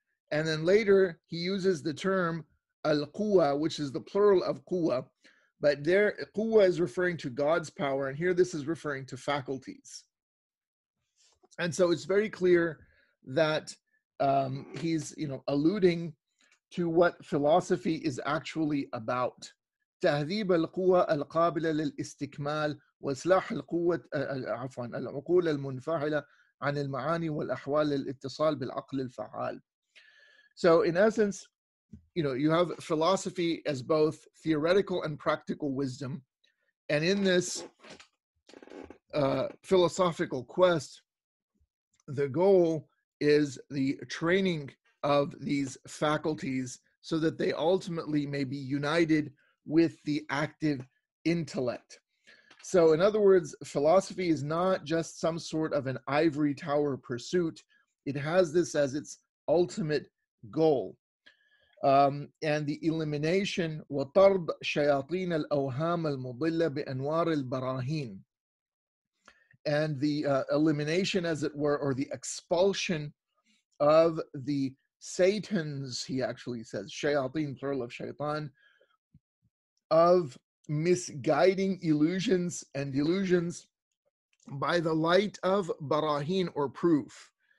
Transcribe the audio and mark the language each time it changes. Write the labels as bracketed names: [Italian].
[English] And then later he uses the term al-quwa, which is the plural of quwa. But there, quwa is referring to God's power, and here this is referring to faculties. And so it's very clear that he's, you know, alluding to what philosophy is actually about. [Arabic] تهذيب القوى القابلة للاستكمال وإصلاح القوة عفوا العقول المنفعلة عن المعاني والأحوال للاتصال بالعقل الفعال. [English] So in essence, you know, you have philosophy as both theoretical and practical wisdom, and in this philosophical quest, the goal is the training of these faculties so that they ultimately may be united with the active intellect. So in other words, philosophy is not just some sort of an ivory tower pursuit. It has this as its ultimate goal. And the elimination, [Arabic] وَطَرْبْ شَيَاطِينَ الْأَوْهَامَ الْمُضِلَّ بِأَنْوَارِ الْبَرَاهِينَ. [English] And the elimination, as it were, or the expulsion of the Satans, he actually says, Shayateen, plural of Shaytan, of misguiding illusions and delusions by the light of barahin, or proof.